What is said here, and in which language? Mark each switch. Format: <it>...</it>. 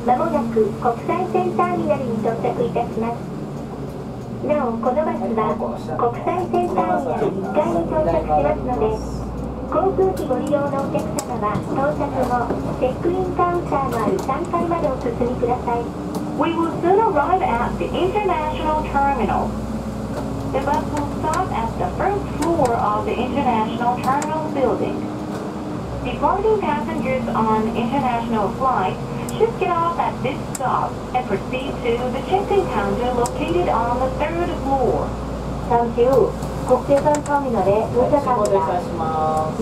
<ja>区国際線ターミナルに到着いたします。なお、このバスは国際線ターミナル1階に到着しますので、航空機ご利用のお客様は到着後チェックインカウンターのある3階までお進みください。</ja> <en>We will soon arrive at the international terminal. The bus will stop at the first floor of the international terminal building. Departing passengers on international flights should get off at this stop and proceed to the check-in counter located on the third floor. Thank you.</en> <ja>国際線ターミナルへ到着しました。</ja>